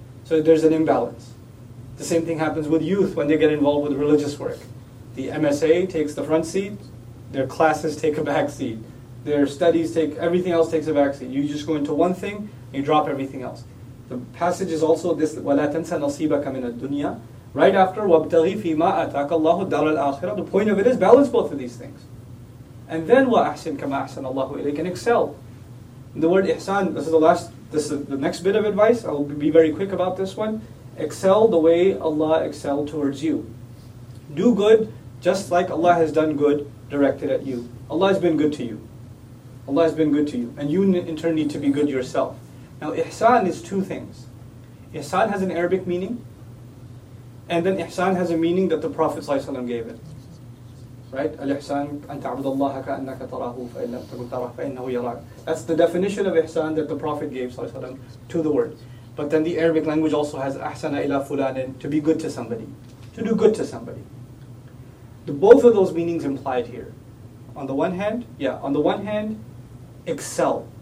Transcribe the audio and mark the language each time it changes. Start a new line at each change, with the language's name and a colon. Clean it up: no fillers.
English: So there's an imbalance. The same thing happens with youth when they get involved with religious work. The MSA takes the front seat, their classes take a back seat, their studies take, everything else takes a back seat. You just go into one thing, and you drop everything else. The passage is also this,
Arabic: وَلَا تَنْسَ نَصِيبَكَ مِنَ الدُّنْيَا.
English: Right after,
Arabic: وَابْتَغِي فِيمَا أَتَاكَ اللَّهُ الدَّارَ الْآخِرَةِ.
English: The point of it is, balance both of these things. And then,
Arabic: وَأَحْسِنْ كَمَا أَحْسَنَ اللَّهُ إِلَيْكَ.
English: And excel. The word ihsan, this is the next bit of advice. I'll be very quick about this one. Excel the way Allah excelled towards you. Do good just like Allah has done good directed at you. Allah has been good to you. Allah has been good to you. And you in turn need to be good yourself. Now ihsan is two things. Ihsan has an Arabic meaning. And then ihsan has a meaning that the Prophet ﷺ gave it. Right?
Arabic: Al-ihsan, أن تعبد الله كأنك تراه فإن لم تكن تراه فإنه يراك.
English: That's the definition of ihsan that the Prophet gave ﷺ to the word. But then the Arabic language also has
Arabic: أحسن إلى فلان,
English: to be good to somebody. To do good to somebody. Both of those meanings implied here. On the one hand, excel.